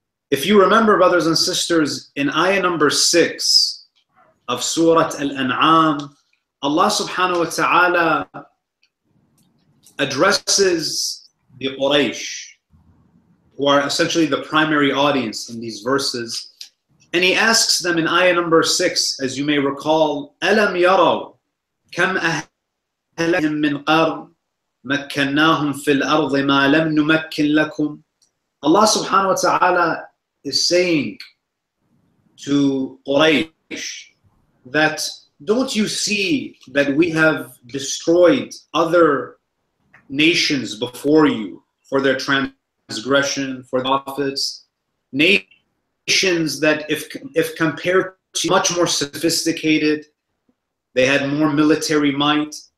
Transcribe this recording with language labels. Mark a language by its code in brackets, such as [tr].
[en] If you remember, brothers and sisters, in ayah number 6 of Surah Al-An'am, Allah subhanahu wa ta'ala addresses the Quraysh, who are essentially the primary audience in these verses. And He asks them in ayah number 6, as you may recall, [ar] أَلَمْ يَرَوْا كَمْ أَهْلَكْنَا مِنْ قَرْنٍ مَكَّنَّاهُمْ فِي الْأَرْضِ مَا لَمْ نُمَكِّنْ لَكُمْ. [en] Allah subhanahu wa ta'ala is saying to Quraysh that don't you see that we have destroyed other nations before you for their transgression, for the prophets, nations that if compared to much more sophisticated, they had more military might.